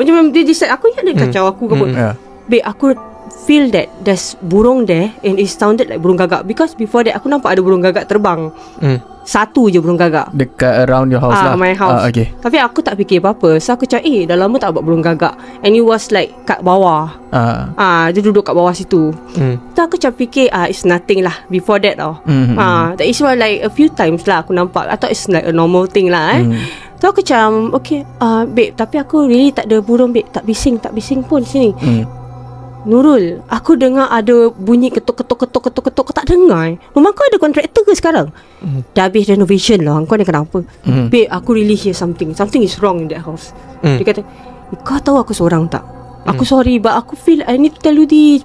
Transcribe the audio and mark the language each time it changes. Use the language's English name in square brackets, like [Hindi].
[Malay] Macam dia decide, aku ingat dia kacau aku ke pun. Babe, aku feel [English] that there's [Malay] burung there [English] and it sounded like [Malay] burung gagak, [English] because before that [Malay] aku nampak ada burung gagak terbang. Satu je burung gagak dekat [English] around your house lah, my house. Okay. [Malay] Tapi aku tak fikir apa-apa. So aku cakap, dah lama tak buat burung gagak, [English] and it was like [Malay] kat bawah. Dia duduk kat bawah situ. So aku cakap fikir, [English] it's nothing [Malay] lah before that lah. [English] That is why like a few times lah [Malay] aku nampak. [English] I thought it's like a normal thing lah eh. [Malay] So aku cakap, okay, babe, tapi aku really tak ada burung babe. Tak bising pun sini. Nurul, aku dengar ada bunyi ketuk. Kau tak dengar eh? Rumah kau ada kontraktor ke sekarang? Dah habis renovation lah. Kau ni kenapa? Babe, aku [English] really hear something. Something is wrong in that house. [Malay] Dia kata, kau tahu aku seorang tak? [English] Aku sorry but aku feel I need to tell you this.